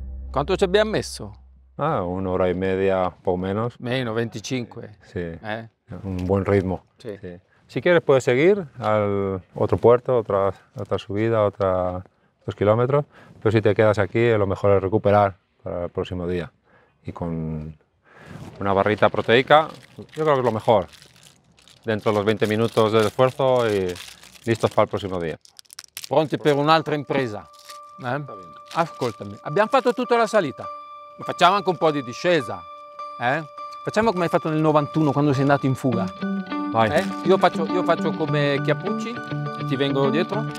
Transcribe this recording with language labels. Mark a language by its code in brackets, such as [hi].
[it] Quanto ci abbiamo messo? Ah, un'ora e media, un po' meno. Meno, 25. Sì, un buon ritmo. Sì. Sì. [es] Si quieres puoi seguir al otro puerto, otra subida, otra 2 kilómetros, pero si te quedas aquí lo mejor es recuperar para el próximo día. Y con una barrita proteica, yo creo que es lo mejor. Dentro de los 20 minutos de esfuerzo y listos para el próximo día. [it] Pronti per un'altra impresa. Ascoltami, abbiamo fatto tutta la salita, ma facciamo anche un po' di discesa, eh? Facciamo come hai fatto nel 91 quando sei andato in fuga. Vai. Io faccio come Chiappucci e ti vengo dietro.